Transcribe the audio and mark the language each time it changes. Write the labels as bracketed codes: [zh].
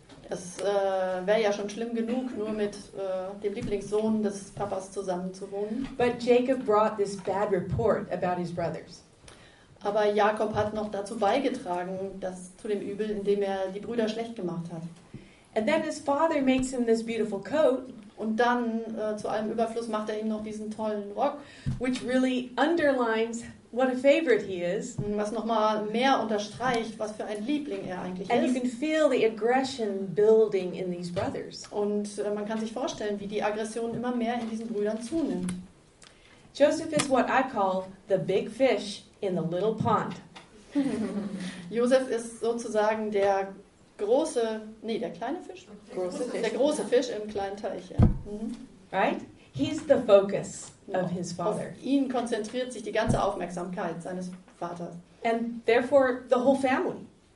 [de] Es wäre ja schon schlimm genug, nur mit dem Lieblingssohn des Papas zusammen zu wohnen. [en] But Jacob brought this bad report about his brothers. [de] Aber Jakob hat noch dazu beigetragen, dass zu dem Übel, indem er die Brüder schlecht gemacht hat. [en] And then his father makes him this beautiful coat. [de] Und dann zu allem Überfluss macht er ihm noch diesen tollen Rock, [en] which really underlines what a favorite he is. [de] Was nochmal mehr unterstreicht, was für ein Liebling er eigentlich [en] and [de] ist. [en] And you can feel the aggression building in these brothers. [de] Und man kann sich vorstellen, wie die Aggression immer mehr in diesen Brüdern zunimmt. [en] Joseph is what I call the big fish in the little pond. [de] Joseph ist sozusagen der große, nee, der kleine Fisch? Große Fisch. Der große Fisch im kleinen Teich, ja. [en] Mhm. Right? He's the focus of his father. [de] Auf ihn konzentriert sich die ganze Aufmerksamkeit seines Vaters. [en] And therefore the whole family.